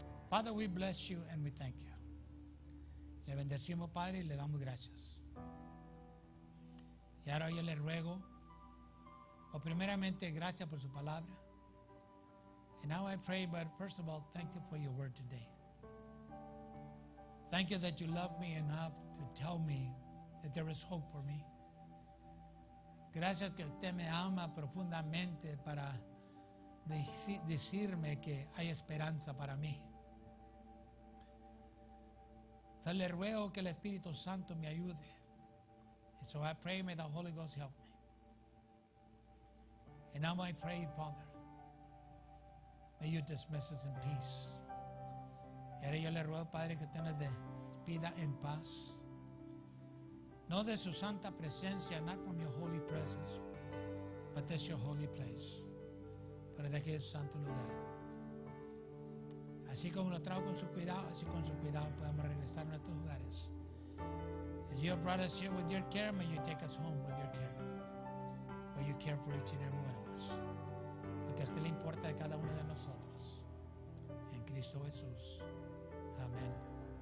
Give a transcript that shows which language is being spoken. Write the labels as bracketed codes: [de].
[en] Father, we bless you and we thank you. [es] Le bendecimos, Padre, y le damos gracias. Y ahora yo le ruego O primeramente, gracias por su palabra. [en] And now I pray, but first of all, thank you for your word today. Thank you that you love me enough to tell me that there is hope for me. [es] Gracias que usted me ama profundamente para decirme que hay esperanza para mí. Le ruego que el Espíritu Santo me ayude. [en] And so I pray, may the Holy Ghost help me. And now I pray, Father, may you dismiss us in peace. [es] Y ahora yo le ruego, Padre, que usted nos despida en paz. No de su santa presencia, [en] not from your holy presence, but that's your holy place. [es] Pero de aquel santo lugar. Así como lo trajo con su cuidado, así con su cuidado podemos regresar a nuestros hogares. [en] As you have brought us here with your care, may you take us home with your care. May you care for each and every one of us. [es] Porque a usted le importa de cada uno de nosotros. En Cristo Jesús. Amén.